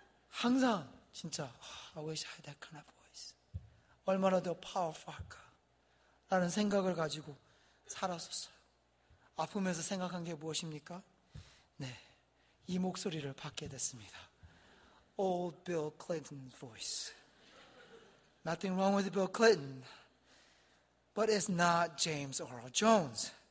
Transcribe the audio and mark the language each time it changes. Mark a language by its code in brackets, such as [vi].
[ko] 항상 진짜 [en] I wish I had that kind of voice. [ko] 얼마나 더 powerful 할까? 라는 생각을 가지고 살았었어요. 아프면서 생각한 게 무엇입니까? 네, 이 목소리를 받게 됐습니다. [en] Old Bill Clinton's voice. Nothing wrong with Bill Clinton, but it's not James Earl Jones.